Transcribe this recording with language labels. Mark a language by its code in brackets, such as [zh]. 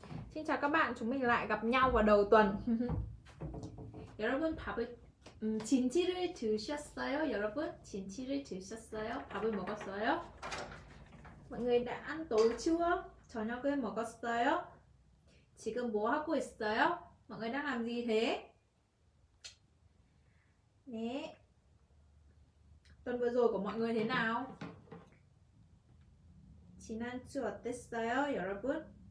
[vi] xin chào các bạn, chúng mình lại gặp nhau vào đầu tuần. [ko] 여러분, 밥을 진치를 드셨어요? 여러분, 진치를 드셨어요? 밥을 먹었어요? [vi] Mọi người đã ăn tối chưa? [ko] 저녁을 먹었어요? 지금 뭐 하고 있어요? [vi] Mọi người đang làm gì thế? [ko] 네. [vi] Tuần vừa rồi của mọi người thế nào? [ko] 지난주 어땠어요, 여러분?